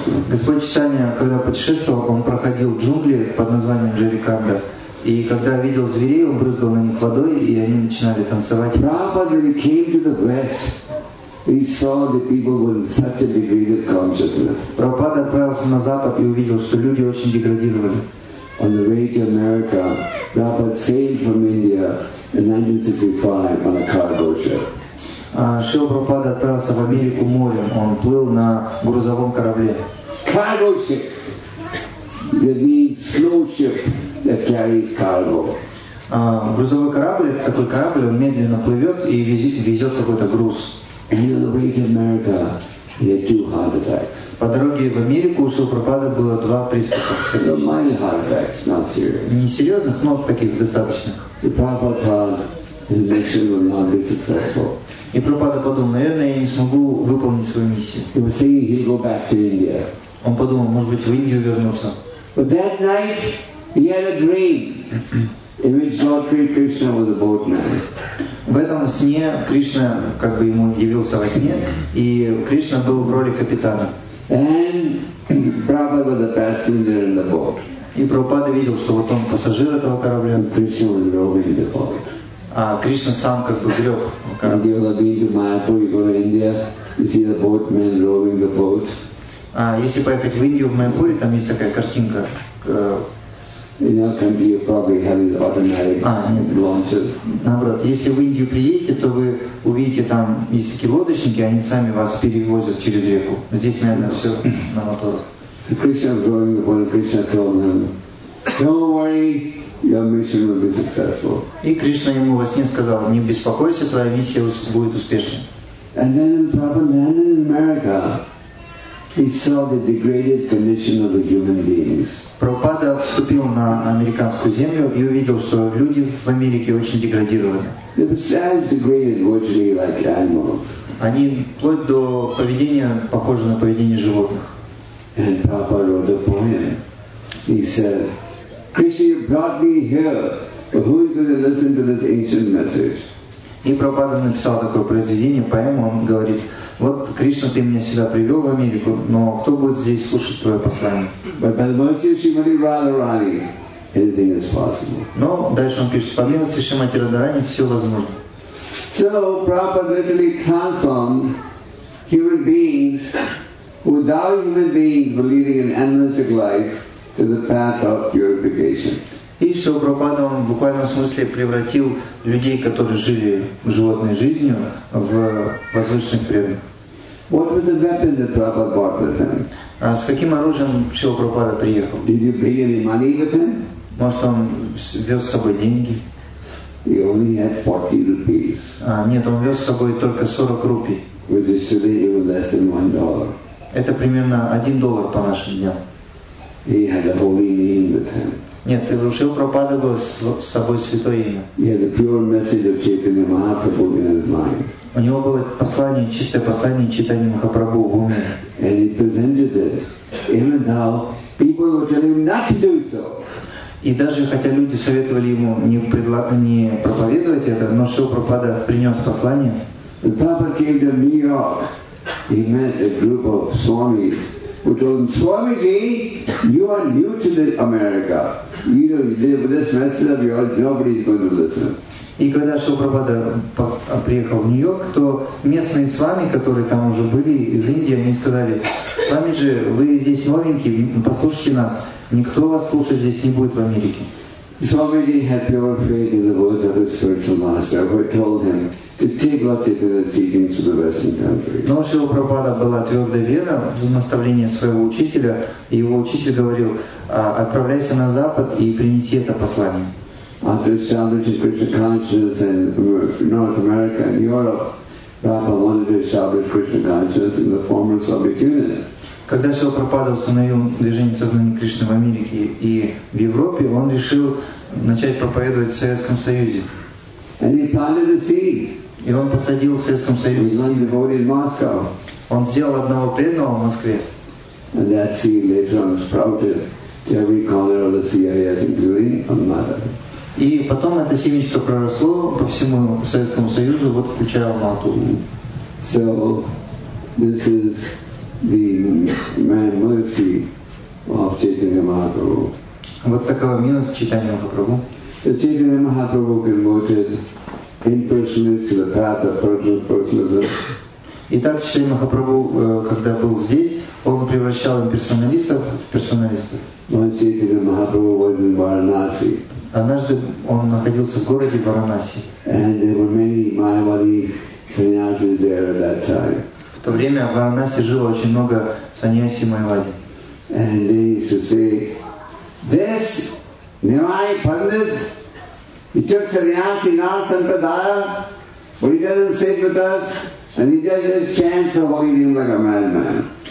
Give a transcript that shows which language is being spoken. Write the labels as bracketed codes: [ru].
[ru] Господь Читания, когда путешествовал, он проходил джунгли под названием Джариканда. И когда видел зверей, он брызгал на них водой, и они начинали танцевать. [en] Prabhupada, when he came to the West, he saw the people were in such a degraded consciousness. [ru] Prabhupada отправился на Запад и увидел, что люди очень деградировали. [en] On the way to America, Prabhupada sailed from India in 1965 on a cargo ship. [ru] Шрила Прабхупада отправился в Америку морем. Он плыл на грузовом корабле. [en] Cargo ship. That means slow ship. That carries cargo. [ru] Грузовой корабль, это такой корабль, он медленно плывет и везет какой-то груз. [en] And on the way to America, he had two heart attacks. [ru] По дороге в Америку у Шрила было два приступа. Но [en] minor heart attacks, not serious. [ru] Не серьезных, но таких достаточных. [en] The Prabhupada thought his mission would not be successful. [ru] И Прабхупада подумал, наверное, я не смогу выполнить свою миссию. [en] He was thinking he'll go back to India. [ru] Он подумал, может быть, в Индию вернется. [en] But that night, he had a dream in which Lord Sri Krishna was a boatman. [ru] В этом сне Кришна как бы ему явился во сне, и Кришна был в роли капитана. [en] And Prabhupada was a passenger in the boat. [ru] И Прабхупада видел, что вот он пассажир этого корабля. [en] And Krishna was rowing the boat. [ru] А Кришна сам как бы грёб. [en] And you will be in Mayapur, you go to India, you see the boatman rowing the boat. [ru] А если поехать в Индию, в Майпуре, там есть такая картинка. [en] In our country, you probably have these automatic launches. [ru] Наоборот, если вы в Индию приедете, то вы увидите там есть такие лодочники, они сами вас перевозят через реку. Здесь, наверное, все на моторах. [en] So Krishna was going to point, Krishna told him, don't worry, your mission will be successful. [ru] И Кришна ему во сне сказал, не беспокойся, твоя миссия будет успешной. [en] And then Prabhupada landed in America. He saw the degraded condition of the human beings. [ru] Прабхупада вступил на американскую землю и увидел, что люди в Америке очень деградировали. [en] They were as degraded virtually like animals. [ru] Они вплоть до поведения похожи на поведение животных. [en] And Prabhupada wrote a poem. He said, Krishna, you brought me here, but who is going to listen to this ancient message? [ru] И Прабхупада написал такое произведение, поэму, он говорит, вот, Кришна, ты меня сюда привел в Америку, но кто будет здесь слушать твое послание? [en] But by the mercy of Shrimati Radharani, anything is possible. [ru] Но дальше он пишет, по милости Шримати Радхарани, все возможно. [en] So, Prabhupada literally transformed human beings, without human beings believing in animistic life, to the path of purification. [ru] И что Прабхупада в буквальном смысле превратил людей, которые жили животной жизнью, в возвышенных преданных. [en] What was the weapon that Prabhupada brought with him? [ru] А с каким оружием Шрила Прабхупада приехал? [en] Did you bring any money with him? [ru] Может, он вез с собой деньги? [en] He only had 40 rupees. [ru] А, нет, он вез с собой только 40 рупий. [en] Which is today even less than $1. [ru] Это примерно $1 по нашим дням. [en] He had a holy name with him. [ru] Нет, у Шрила Прабхупада было с собой святое имя. [en] He had a pure message of Chaitanya Mahaprabhu in his mind. [ru] У него было послание, чистое послание Чайтанья Махапрабху в уме. [en] And he presented it, even though people were telling him not to do so. [ru] И даже хотя люди советовали ему не проповедовать это, но Шрила Прабхупада принес послание. [en] The Prabhupada came to New York. He met a group of swamis who told him, Swamiji, you are new to the America. You know, this message of yours, nobody is going to listen. [ru] И когда Шрила Прабхупада приехал в Нью-Йорк, то местные свами, которые там уже были из Индии, они сказали, «Свами же, вы здесь новенькие, послушайте нас, никто вас слушать здесь не будет в Америке». [en] Swamiji had pure faith in the words of his spiritual master, who told him to take what they were teaching to the Western countries. [ru] Но Шрила Прабхупада была твердой вера в наставление своего учителя, и его учитель говорил, «Отправляйся на Запад и принеси это послание». [en] After establishing Krishna consciousness in North America and Europe, Prabhupada wanted to establish Krishna consciousness in the former Soviet Union. [ru] Когда Шрила Прабхупада установил движение сознания Кришны в Америке и в Европе, он решил начать проповедовать в Советском Союзе. [en] And he planted a seed. [ru] И он посадил в Советском Союзе. [en] He planted a seed in Moscow. [ru] Он сделал одного преданного в Москве. [en] And that seed later on sprouted to every corner of the CIS, including Almaty. [ru] И потом это семечко проросло по всему Советскому Союзу, вот включая Алмату. [en] So, this is the man mercy of Chaitanya Mahaprabhu. [ru] Вот такова милость Чайтанья Махапрабху. [en] The Chaitanya Mahaprabhu converted impersonalists to the path of personalism. [ru] Итак, Чайтанья Махапрабху, когда был здесь, он превращал имперсоналистов в персоналистов. [en] Once Chaitanya Mahaprabhu was in Varanasi. [ru] Однажды он находился в городе Варанаси. [en] And there were many Mayavadi sannyasis there at that time. [ru] В то время в Варанаси жило очень много саньяси Майвади. [en] And they used to say, this Nimai Pandit, he took sannyasi in our sampradaya, but he doesn't sit with us, and he just chants the holy name like a madman.